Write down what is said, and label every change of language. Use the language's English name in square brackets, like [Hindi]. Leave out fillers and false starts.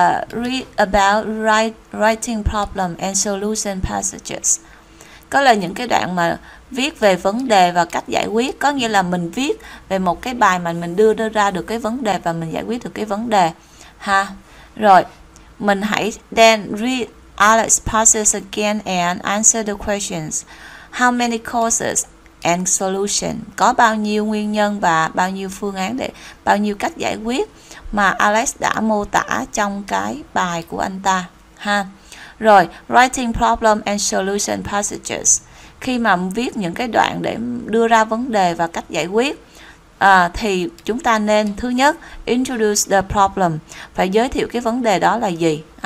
[English] Read about writing problem and solution passages. [Vietnamese] Có là những cái đoạn mà viết về vấn đề và cách giải quyết. Có nghĩa là mình viết về một cái bài mà mình đưa ra được cái vấn đề và mình giải quyết được cái vấn đề ha. [English] Rồi, [Vietnamese] mình hãy [English] then read Alex's passages again and answer the questions. How many causes and solution? [Vietnamese] Có bao nhiêu nguyên nhân và bao nhiêu phương án để, bao nhiêu cách giải quyết mà Alex đã mô tả trong cái bài của anh ta ha. [English] Rồi, writing problem and solution passages. [Vietnamese] Khi mà viết những cái đoạn để đưa ra vấn đề và cách giải quyết thì chúng ta nên, thứ nhất, [English] introduce the problem, [Vietnamese] phải giới thiệu cái vấn đề đó là gì.